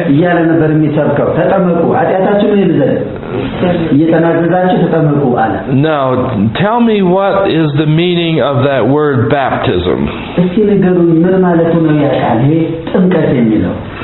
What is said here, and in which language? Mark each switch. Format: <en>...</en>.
<am>እያለ ነበር የሚሰብከው ተጠመቁ አጥያታችሁን ይልዘል እየተናዘዛችሁ ተጠመቁ አለ</am> <en>now tell me what is the meaning of that word baptism</en> <am>እስኪ ንገሩኝ ምን ማለት ነው ያቃል ይሄ ጥምቀት የሚለው</am>